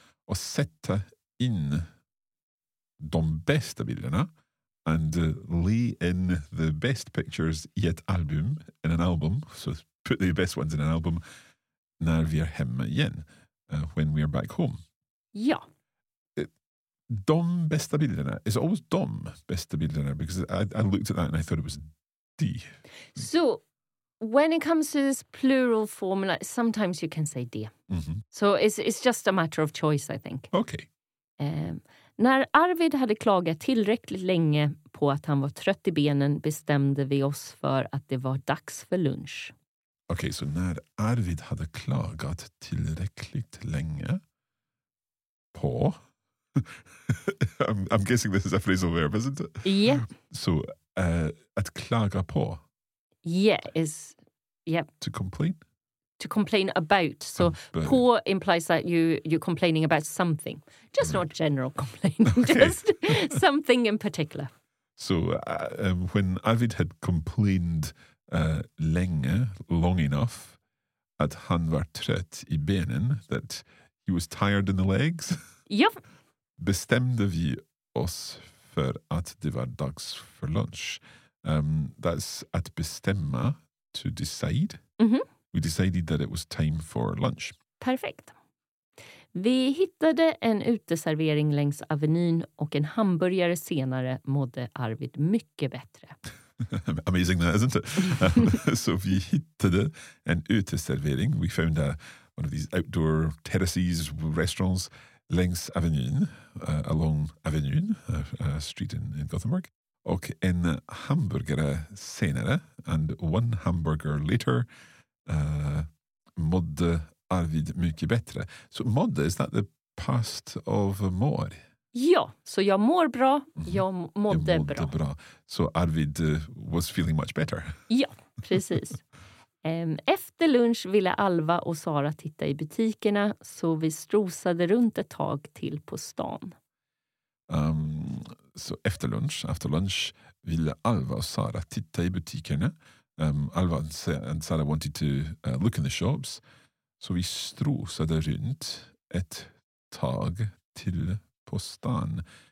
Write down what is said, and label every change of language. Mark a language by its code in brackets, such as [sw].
[sv] och sätta in de bästa bilderna [en] and lay in the best pictures [sv] i ett album, [en] in an album, so put the best ones in an album, [sv] när vi är hemma igen, [en] when we are back home. [sv] Ja. De bästa bilderna, [en] it's always [sv] de bästa bilderna, [en] because I looked at that and I thought it was de. So, when it comes to this plural formula, sometimes you can say de. Mm-hmm. So it's just a matter of choice, I think. Okay. [sv] När Arvid hade klagat tillräckligt länge på att han var trött i benen bestämde vi oss för att det var dags för lunch. Okay, so när Arvid hade klagat tillräckligt länge på... [en] I'm guessing this is a phrasal verb, isn't it? Yeah. [sv] So, att klaga på. [en] Yeah, is, yep. To complain? To complain about. So, poor implies that you're complaining about something. Just not general complaining, okay. Just something in particular. So, when Arvid had complained länge, long enough, [sv] at han var trött i benen, [en] that he was tired in the legs? Yep. [sv] Bestämde vi oss för att det var dags för lunch. [en] That's att bestämma, to decide. Mm-hmm. We decided that it was time for lunch. [sv] Perfekt. Vi hittade en uteservering längs avenyn och en hamburgare senare mådde Arvid mycket bättre. [en] Amazing that, isn't it? So [sv] vi hittade en uteservering. [en] We found one of these outdoor terraces, restaurants, [sv] längs avenyn, [en] along avenyn, a street in Gothenburg. [sv] Och en hamburgare senare, [en] and one hamburger later, [sv] mådde Arvid mycket bättre. [en] So mådde, is that the past of mår? [sv] Ja, så jag mår bra, jag mådde bra. Bra. [en] Så Arvid was feeling much better. [sv] Ja, precis. Efter lunch ville Alva och Sara titta i butikerna, så vi strosade runt ett tag till på stan. Så efter lunch ville Alva och Sara titta i butikerna. [en] Alva and Sara wanted to look in the shops. [sv] Så vi strosade runt ett tag till på stan.